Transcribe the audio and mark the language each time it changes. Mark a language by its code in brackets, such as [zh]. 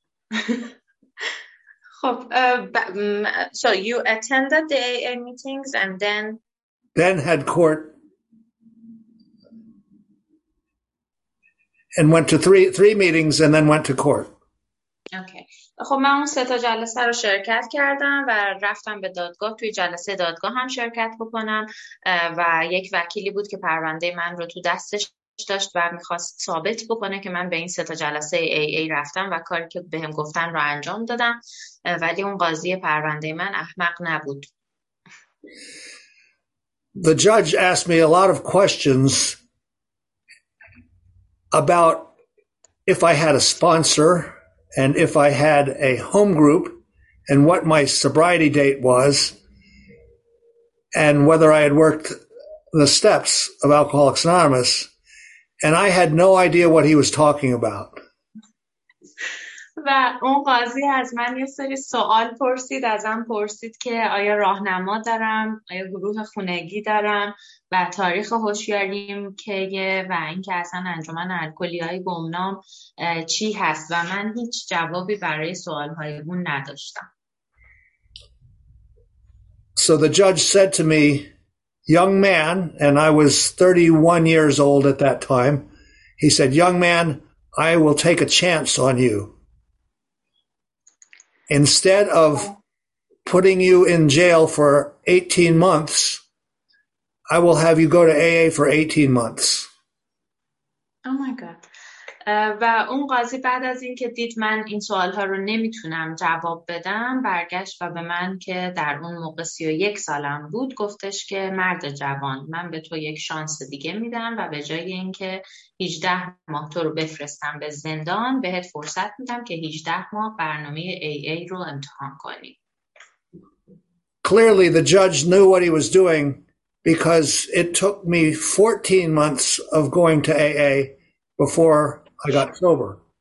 [en] خب, so you attended the AA meetings and then? Then had court and went to three meetings and then went to court. Okay. [fa] خب من اون 3 تا جلسه رو شرکت کردم و رفتم به دادگاه، توی جلسه دادگاه هم شرکت بکنم و یک وکیلی بود که پرونده من رو تو دستش داشت و میخواست ثابت بکنه که من به این 3 تا جلسه AA رفتم و کاری که بهم گفتن رو انجام دادم، ولی اون قاضی پرونده من احمق نبود. [en] The judge asked me a lot of questions about if I had a sponsor and if I had a home group and what my sobriety date was and whether I had worked the steps of Alcoholics Anonymous, and I had no idea what he was talking about. [fa] و اون قاضی از من یه سری سوال پرسید، ازم پرسید که آیا راهنما دارم، آیا گروه خونگی دارم و تاریخ هوشیاریم که و اینکه اصلا انجمن الکلیهای گمنام چی هست، و من هیچ جوابی برای سوالهای اون نداشتم. [en] So the judge said to me, young man, and I was 31 years old at that time, he said, young man, I will take a chance on you. Instead of putting you in jail for 18 months, I will have you go to AA for 18 months. Oh my God. [fa] و اون قاضی بعد از این که دید من این سوالها رو نمیتونم جواب بدم، برگشت و به من که در اون موقع 31 سالم بود گفتش که مرد جوان، من به تو یک شانس دیگه میدم و به جای این که 18 ماه تو رو بفرستم به زندان، بهت فرصت میدم که 18 ماه برنامه AA رو امتحان کنی. [en] Clearly the judge knew what he was doing because it took me 14 months of going to AA before I got sober.